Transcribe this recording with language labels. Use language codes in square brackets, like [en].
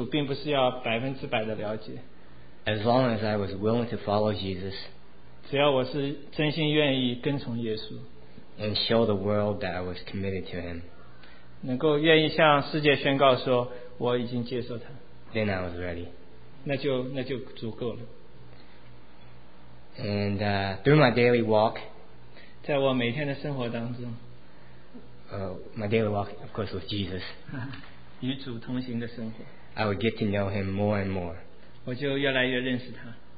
[zh] 我认识到我们信主并不是要100%的了解。 [en] As long as I was willing to follow Jesus, [zh] 只要我是真心愿意跟从耶稣, [en] and show the world that I was committed to Him, [zh] 能够愿意向世界宣告说我已经接受他, [en] then I was ready. [zh] 那就足够了。 [en] And through my daily walk, [zh] 在我每天的生活当中, [en] my daily walk, of course, with Jesus, [zh] 与主同行的生活, [en] I would get to know Him more and more. [zh] 我就越来越认识他。